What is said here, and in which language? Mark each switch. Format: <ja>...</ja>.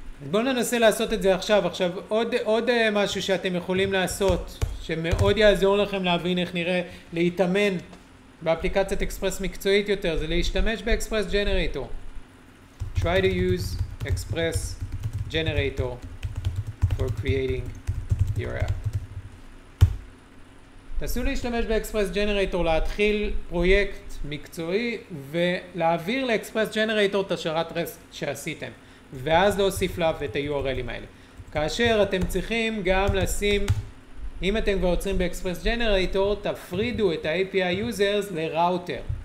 <he>בואו ננסה לעשות את זה עכשיו. עכשיו עוד משהו שאתם יכולים לעשות שמאוד יעזור לכם להבין איך נראה, להתאמן באפליקציית אקספרס מקצועית יותר, זה להשתמש באקספרס ג'נרייטור.</he> <en>Try to use express generator for creating your app.</en> <he>תעשו להשתמש באקספרס ג'נרייטור, להתחיל פרויקט מקצועי ולהעביר לאקספרס ג'נרייטור את השרת רסט שעשיתם, ואז להוסיף לה את ה-URLים האלה. כאשר אתם צריכים גם לשים, אם אתם כבר עוצרים באקספרס ג'נרייטור, תפרידו את ה-API users לראוטר.</he>